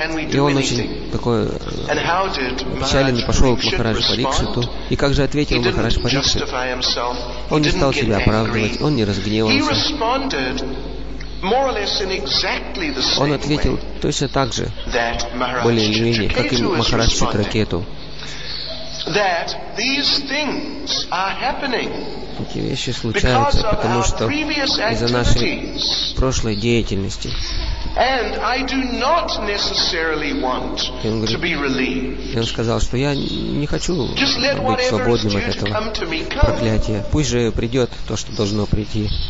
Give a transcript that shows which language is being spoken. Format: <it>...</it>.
<ru>И он очень такой печальный пошел к Махараджу Парикшиту. И как же ответил Махарадж Парикшит? Он не стал себя оправдывать, он не разгневался. Он ответил точно так же, более или менее, как и Махарадж Читракету.</ru> <en>That these things are happening because of our previous activities. And I do not necessarily want to be relieved.</en> <ru>И он сказал, что я не хочу быть свободным от этого проклятия. Пусть же придет то, что должно прийти.</ru>